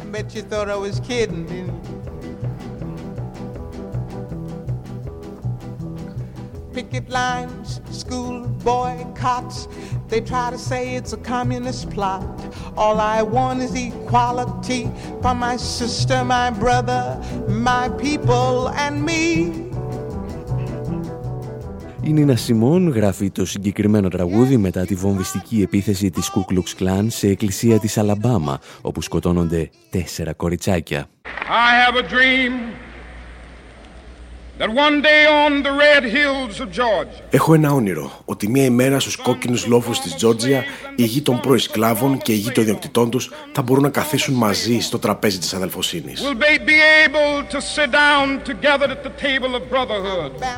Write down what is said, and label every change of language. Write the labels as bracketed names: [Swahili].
[English] You thought I was kidding, didn't you? Picket lines, school boycotts, they try to say it's a communist plot. All I want is equality for my sister, my brother, my people and me. [Greek] Η Νίνα Σιμών γράφει το συγκεκριμένο τραγούδι μετά τη βομβιστική επίθεση της Ku Klux Klan σε εκκλησία της Αλαμπάμα, όπου σκοτώνονται 4 κοριτσάκια. [English] I have a dream that one day on the red hills of Georgia. [Greek] Έχω ένα όνειρο ότι μια ημέρα στους κόκκινους λόφους της Τζόρτζια οι γη των πρώην σκλάβων και οι γη των ιδιοκτητών τους θα μπορούν να καθίσουν μαζί στο τραπέζι της αδελφοσύνης. [English] We'll be able to sit down together at the table of brotherhood.